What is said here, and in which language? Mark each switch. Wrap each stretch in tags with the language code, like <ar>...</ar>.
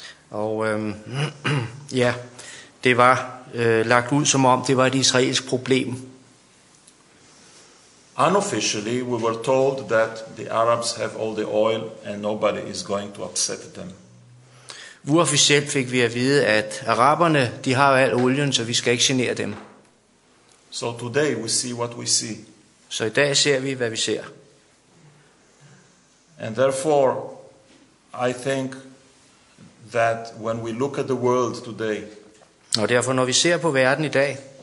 <da>Og ja. Det var lagt ud som om det var et israelsk problem.</da> <en>Unofficially we were told that the Arabs have all the oil and nobody is going to upset them.</en> <da>Uofficielt fik vi at vide, at araberne, de har al olien, så vi skal ikke genere dem.</da> <en>So today we see what we see.</en> <da>Så i dag ser vi hvad vi ser.</da> <en>And therefore I think that when we look at the world today,</en> <da>og derfor når vi ser på verden i dag,</da>